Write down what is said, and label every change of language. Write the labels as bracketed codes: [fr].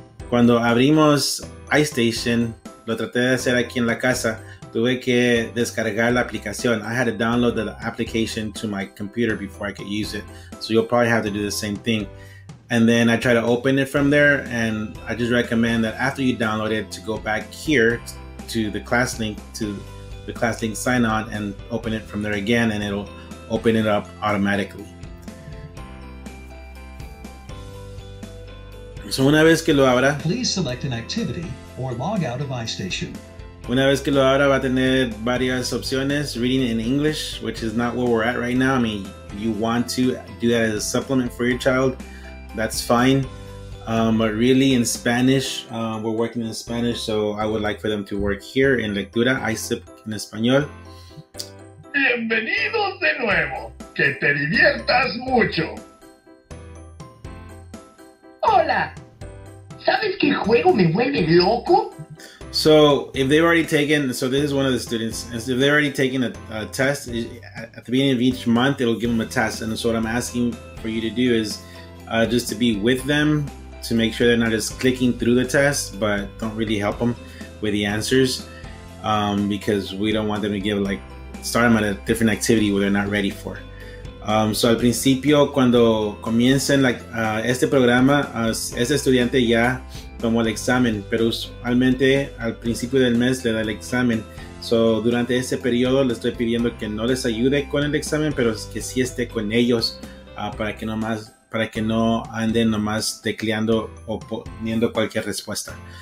[es] Cuando abrimos iStation, lo traté de hacer aquí en la casa, tuve que descargar la aplicación. [en] I had to download the application to my computer before I could use it. So you'll probably have to do the same thing. And then I try to open it from there, and I just recommend that after you download it to go back here to the ClassLink, sign on and open it from there again, and it'll open it up automatically. [es] So una vez que lo abra, [en] please select an activity or log out of iStation. [es] Una vez que lo abra, va a tener varias opciones. [en] Reading in English, which is not where we're at right now. I mean, you want to do that as a supplement for your child, that's fine. But really in Spanish, we're working in Spanish, so I would like for them to work here in Lectura, ISIP in Español. [es] Bienvenidos de nuevo. Que te diviertas mucho. Hola. ¿Sabes qué juego me vuelve loco? [en] So, if they've already taken, so this is one of the students, if they've already taken a test, at the beginning of each month, it'll give them a test. And so what I'm asking for you to do is just to be with them to make sure they're not just clicking through the test, but don't really help them with the answers, because we don't want them to give, like, start them at a different activity where they're not ready for. [es] So al principio, cuando comiencen este programa, ese estudiante ya tomó el examen, pero usualmente al principio del mes le da el examen. So durante ese periodo le estoy pidiendo que no les ayude con el examen, pero que sí esté con ellos para que no anden nomás tecleando o poniendo cualquier respuesta.